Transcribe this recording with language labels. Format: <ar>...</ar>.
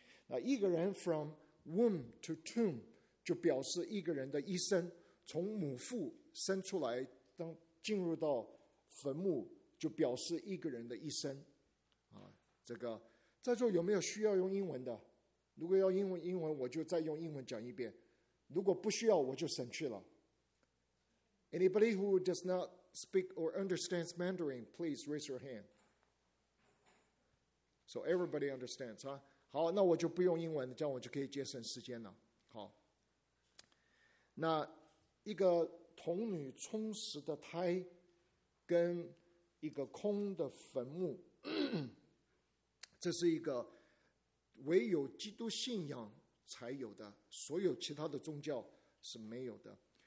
<zh>那一个人</zh> <en>from womb to tomb</en> <zh>就表示一个人的一生从母腹生出来，当进入到坟墓就表示一个人的一生。这个在座有没有需要用英文的？如果要英文我就再用英文讲一遍，如果不需要我就省去了。</zh> <en>Anybody who does not speak or understands Mandarin, please raise your hand. So everybody understands, huh?</en> <zh>好，那我就不用英文，这样我就可以节省时间了。好，那一个童女充实的胎跟一个空的坟墓，这是一个唯有基督信仰才有的，所有其他的宗教是没有的。</zh>